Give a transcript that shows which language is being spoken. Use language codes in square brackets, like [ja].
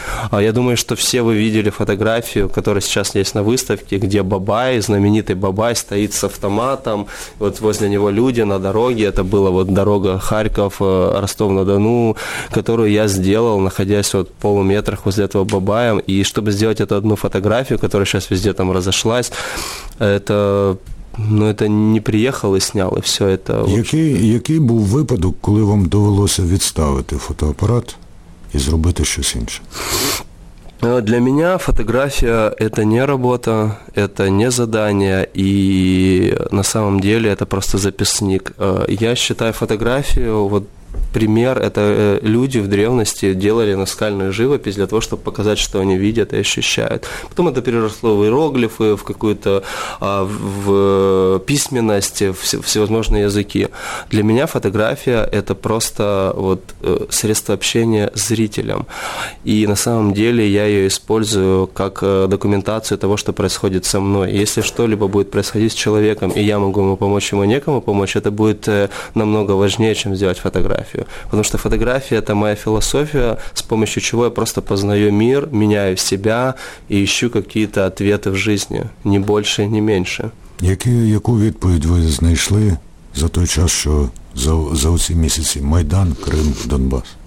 [ru] А я думаю, что все вы видели фотографию, которая сейчас есть на выставке, где Бабай, знаменитый Бабай, стоит с автоматом, вот возле него люди на дороге, это была вот дорога Харьков-Ростов-на-Дону, которую я сделал, находясь вот в полуметрах возле этого Бабая, и чтобы сделать эту одну фотографию, которая сейчас везде там разошлась, это... Ну, это не приехал и снял, и все это... [uk] Який був випадок, коли вам довелося відставити фотоапарат і зробити щось інше? [ru] Для меня фотография – это не работа, это не задание, и на самом деле это просто записник. Я считаю фотографию, вот пример, это люди в древности делали наскальную живопись для того, чтобы показать, что они видят и ощущают. Потом это переросло в иероглифы, в какую-то в письменность, в всевозможные языки. Для меня фотография – это просто вот средство общения с зрителем. И на самом деле я ее использую как документацию того, что происходит со мной. Если что-либо будет происходить с человеком, и я могу ему помочь, ему некому помочь, это будет намного важнее, чем сделать фотографию. Потому что фотография – это моя философия, с помощью чего я просто познаю мир, меняю себя и ищу какие-то ответы в жизни, ни больше, ни меньше. [uk] Яку відповідь ви знайшли за той час, що за оці місяці Майдан, Крим, Донбас?